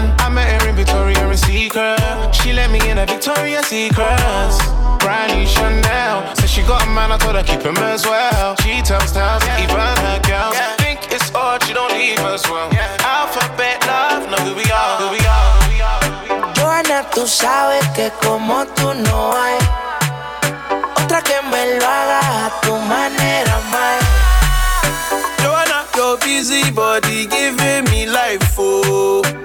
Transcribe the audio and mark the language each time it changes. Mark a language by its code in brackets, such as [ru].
[en] I met her in Victoria's Secret. She let me in at Victoria's Secret. Brandy Chanel. Said she got a man, I told her keep him as well. She tells tales, even her girls. Think it's odd, she don't leave us well. Alphabet love, know who we are, who we are. [es] Joana, tú sabes que como tú no hay otra que me lo haga a tu manera, man. [en] Joana, your busy body giving me life, oh.